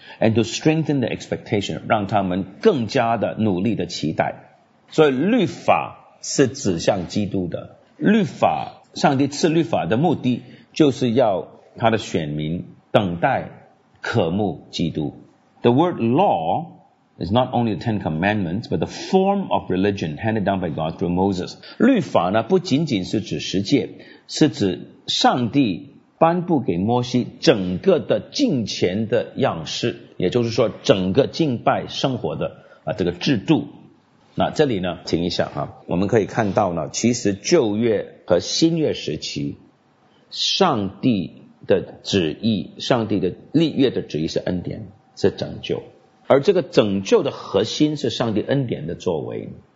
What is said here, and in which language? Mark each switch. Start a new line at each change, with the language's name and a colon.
English: And to strengthen the expectation,
Chinese: 让他们更加的努力的期待。所以律法是指向基督的。律法，上帝赐律法的目的就是要他的选民等待渴慕基督。
English: The word law is not only the Ten Commandments, but the form of religion handed down by God through Moses.
Chinese: 律法呢，不仅仅是指十诫，是指上帝颁布给摩西整个的敬虔的样式，也就是说整个敬拜生活的这个制度。那这里呢停一下啊，我们可以看到呢，其实旧约和新约时期上帝的旨意，上帝的立约的旨意是恩典，是拯救，而这个拯救的核心是上帝恩典的作为。